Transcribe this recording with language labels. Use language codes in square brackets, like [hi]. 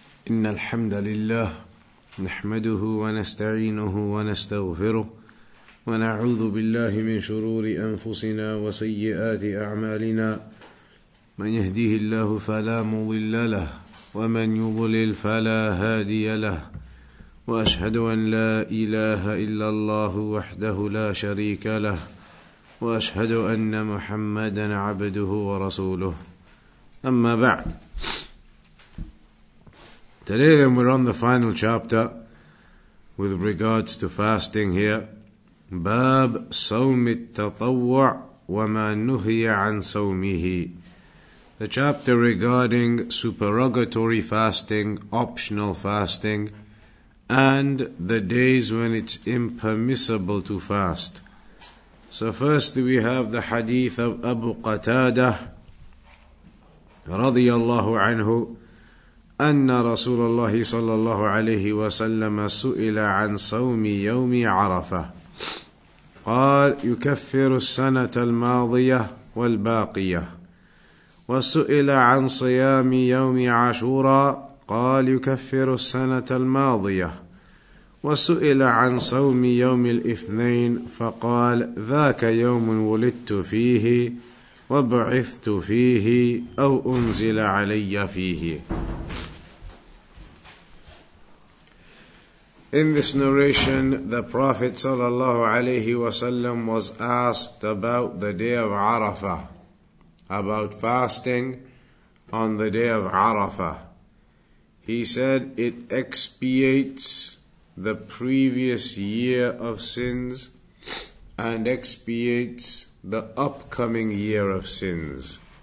[ar] إن الحمد لله نحمده ونستعينه ونستغفره ونعوذ بالله من شرور أنفسنا وسيئات أعمالنا من يهديه الله فلا مضل له ومن يضلل فلا هادي له وأشهد أن لا إله إلا الله وحده لا شريك له وأشهد أن محمدا عبده ورسوله أما بعد. [en] Today then we're on the final chapter with regards to fasting here. [ar] Bab صوم التطوع وما نهي عن صومه. [en] The chapter regarding supererogatory fasting, optional fasting, and the days when it's impermissible to fast. So firstly we have the hadith of Abu Qatada [ar] رضي الله عنه أن رسول الله صلى الله عليه وسلم سئل عن صوم يوم عرفة قال يكفر السنة الماضية والباقية وسئل عن صيام يوم عاشوراء قال يكفر السنة الماضية وسئل عن صوم يوم الاثنين فقال ذاك يوم ولدت فيه وبعثت فيه أو أنزل علي فيه. [en] In this narration, the Prophet sallallahu alaihi wasallam was asked about the day of Arafah, about fasting on the day of Arafah. He said it expiates the previous year of sins and expiates the upcoming year of sins.